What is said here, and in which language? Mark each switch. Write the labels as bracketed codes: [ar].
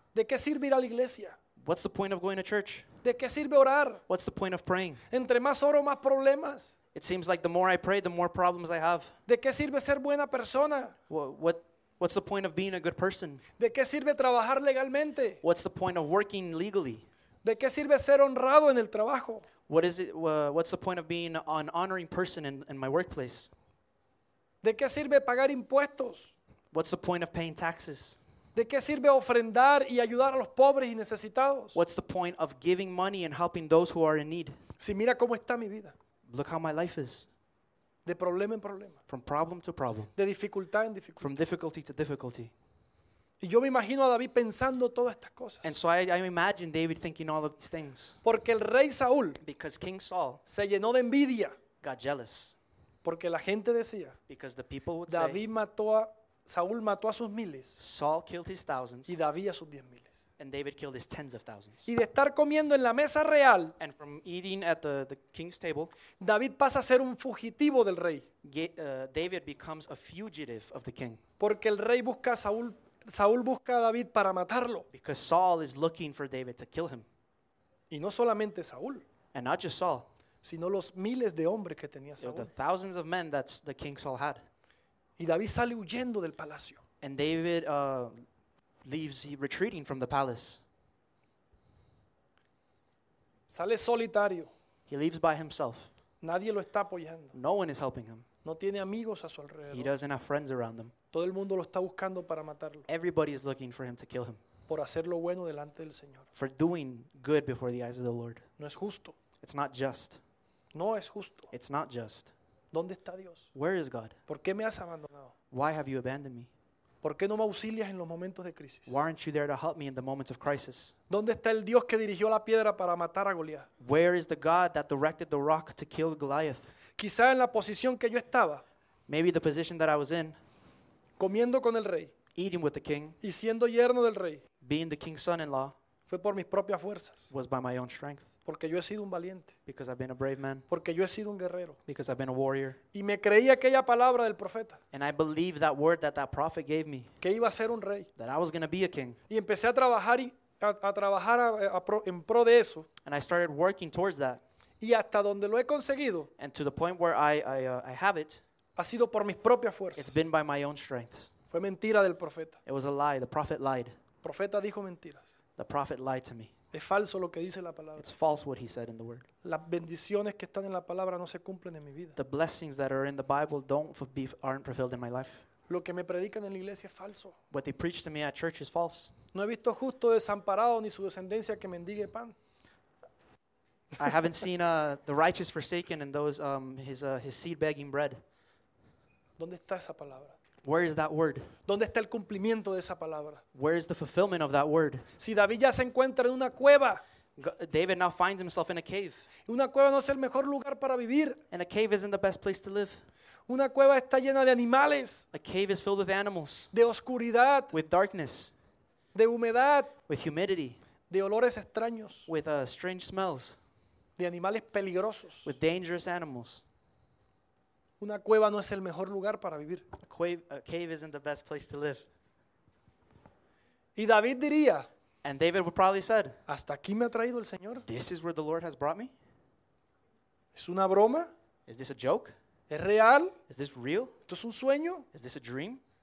[es] ¿De qué sirve ir a la iglesia? [en] What's the point of going to church? [es] ¿De qué sirve orar? [en] What's the point of praying? [es] Entre más oro, más problemas. [en] It seems like the more I pray, the more problems I have. [es] ¿De qué sirve ser buena persona? [en] What's the point of being a good person? [es] ¿De qué sirve trabajar legalmente? [en] What's the point of working legally? [es] ¿De qué sirve ser honrado en el trabajo? [en] What's the point of being an honoring person in my workplace? [es] ¿De qué sirve pagar impuestos? [en] What's the point of paying taxes? [es] ¿De qué sirve ofrendar y ayudar a los pobres y necesitados? [en] What's the point of giving money and helping those who are in need? [es] Si mira cómo está mi vida. [en] Look how my life is. [es] De problema en problema. [en] From problem to problem. [es] De dificultad en dificultad. [en] From difficulty to difficulty. [es] Y yo me imagino a David pensando todas estas cosas. [en] And so I imagine David thinking all of these things. [es] Porque el rey Saúl. [en] Because King Saul. [es] Se llenó de envidia. [en] Got jealous. [es] Porque la gente decía. [en] Because the people would [es] David [en] say. [es] Mató a Saúl mató a sus miles. [en] Saul killed his thousands. [es] Y David a sus diez miles. [en] And David killed his tens of thousands. [es] Y de estar comiendo en la mesa real, [en] and from eating at the king's table, [es] David pasa a ser un fugitivo del rey. [en] David becomes a fugitive of the king. [es] Porque el rey busca a Saúl, Saúl busca a David para matarlo. [en] Because Saul is looking for David to kill him. [es] Y no solamente Saúl. [en] And not just Saul. [es] Sino los miles de hombres que tenía Saúl. [en] You know, the thousands of men that the king Saul had. [es] Y David sale huyendo del palacio. [en] And David leaves retreating from the palace. [es] Sale solitario. [en] He leaves by himself. [es] Nadie lo está apoyando. [en] No one is helping him. [es] No tiene amigos a su alrededor. [en] He doesn't have friends around him. [es] Todo el mundo lo está buscando para matarlo. [en] Everybody is looking for him to kill him. [es] Por hacer lo bueno delante del Señor. [en] For doing good before the eyes of the Lord. [es] No es justo. [en] It's not just. [es] No es justo. [en] It's not just. [es] ¿Dónde está Dios? [en] Where is God? [es] ¿Por qué me has abandonado? [en] Why have you abandoned me? [es] ¿Por qué no me auxilias en los momentos de crisis? [en] Why aren't you there to help me in the moments of crisis? [es] ¿Dónde está el Dios que dirigió la piedra para matar a Goliat? [en] Where is the God that directed the rock to kill Goliath? [es] Quizá en la posición que yo estaba. [en] Maybe the position that I was in. [es] Comiendo con el rey. [en] Eating with the king. [es] Y siendo yerno del rey. [en] Being the king's son-in-law. [es] Fue por mis propias fuerzas. [en] Was by my own strength. [es] Porque yo he sido un valiente. [en] Because I've been a brave man. [es] Porque yo he sido un guerrero. [en] Because I've been a warrior. [es] Y me creí aquella palabra del profeta. [en] And I believed that word that prophet gave me. [es] Que iba a ser un rey. [en] That I was going to be a king. [es] Y empecé a trabajar en pro de eso. [en] And I started working towards that. [es] Y hasta donde lo he conseguido. [en] And to the point where I have it. [es] Ha sido por mis propias fuerzas. [en] It's been by my own strengths. [es] Fue mentira del profeta. [en] It was a lie. The prophet lied. [es] El profeta dijo mentiras. [en] The prophet lied to me. [es] Es falso lo que dice la palabra. [en] It's false what he said in the word. [es] Las bendiciones que están en la palabra no se cumplen en mi vida. [en] The blessings that are in the Bible aren't fulfilled in my life. [es] Lo que me predican en la iglesia es falso. [en] What they preach to me at church is false. [es] No he visto justo desamparado ni su descendencia que mendigue pan. [en] I haven't seen the righteous forsaken and those his seed begging bread. [es] ¿Dónde está esa palabra? [en] Where is that word? [es] ¿Dónde está el cumplimiento de esa palabra? [en] Where is the fulfillment of that word? [es] Si David ya se encuentra en una cueva. [en] David now finds himself in a cave. [es] Una cueva no es el mejor lugar para vivir. [en] And a cave isn't the best place to live. [es] Una cueva está llena de animales. [en] A cave is filled with animals. [es] De oscuridad. [en] With darkness. [es] De humedad. [en] With humidity. [es] De olores extraños. [en] With strange smells. [es] De animales peligrosos. [en] With dangerous animals. [es] Una cueva no es el mejor lugar para vivir. [en] A cave isn't the best place to live. [es] Y David diría, [en] and David would probably said, [es] hasta aquí me ha traído el Señor. [en] This is where the Lord has brought me. [es] ¿Es una broma? [en] Is this a joke? [es] ¿Es real? [en] Is this real? [es] ¿Esto es un sueño? [en] Is this a dream?